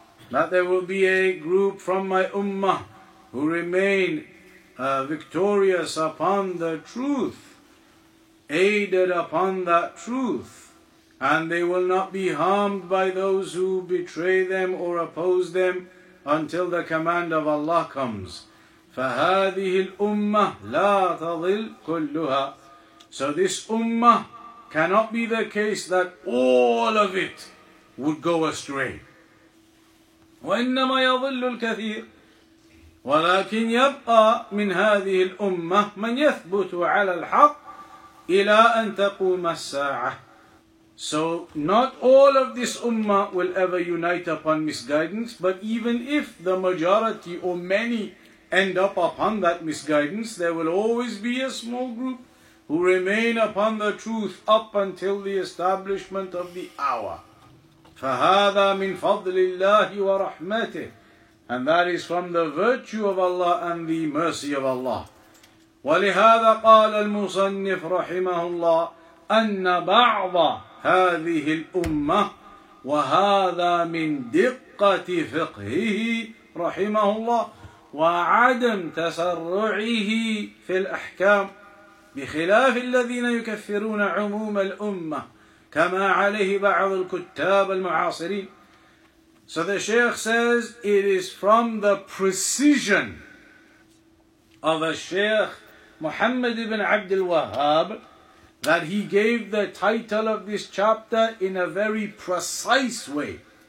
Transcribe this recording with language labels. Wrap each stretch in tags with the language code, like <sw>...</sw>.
<en>That there will be a group from my ummah who remain victorious upon the truth, aided upon that truth, and they will not be harmed by those who betray them or oppose them until the command of Allah comes.</en> <ar>فَهَذِهِ الْأُمَّةِ لَا تَضِلْ كُلُّهَا.</ar> <en>So this ummah cannot be the case that all of it would go astray.</en> <ar>وإنما يضل الكثير ولكن يبقى من هذه الأمة من يثبت على الحق إلى أن تقوم الساعة.</ar> <en>So not all of this ummah will ever unite upon misguidance, but even if the majority or many end up upon that misguidance, there will always be a small group who remain upon the truth up until the establishment of the hour.</en> <ar>فهذا من فضل الله ورحمته.</ar> <en>And that is from the virtue of Allah and the mercy of Allah.</en> <ar>ولهذا قال المصنف رحمه الله أن بعض هذه الأمة وهذا من دقة فقهه رحمه الله وعدم تسرعه في الأحكام بخلاف الذين يكفرون عموم الأمة كَمَا عَلَيْهِ بَعْضُ الْكُتَّابَ الْمُعَاصِرِينَ.</ar> <en>So the Shaykh says, it is from the precision of a Shaykh, Muhammad ibn Abdul Wahhab, that he gave the title of this chapter in a very precise way.</en>